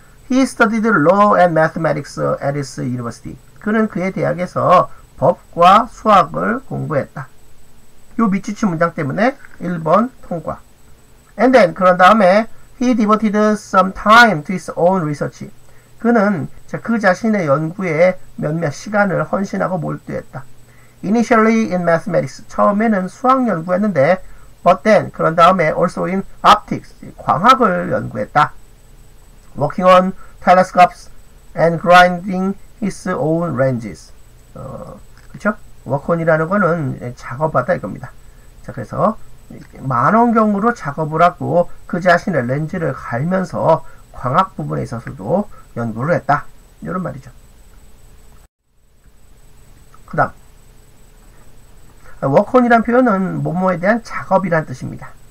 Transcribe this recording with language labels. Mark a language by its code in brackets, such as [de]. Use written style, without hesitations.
[en] He studied law and mathematics at his university. [ko] 그는 그의 대학에서 법과 수학을 공부했다. 요 밑줄치 문장 때문에 1번 통과. [en] And then, [ko] 그런 다음에 [en] he devoted some time to his own research. [ko] 그는 그 자신의 연구에 몇몇 시간을 헌신하고 몰두했다. [en] Initially in mathematics. [ko] 처음에는 수학 연구했는데 [en] But then, [ko] 그런 다음에 [en] also in optics, [ko] 광학을 연구했다. [en] Working on telescopes and grinding his own lenses. [ko] 그쵸? Work on이라는 거는 작업하다 이겁니다. 자, 그래서 망원경으로 작업을 하고 그 자신의 렌즈를 갈면서 광학 부분에 있어서도 연구를 했다. 이런 말이죠. 그 다음. Work on이란 표현은 뭐뭐에 대한 작업이란 뜻입니다.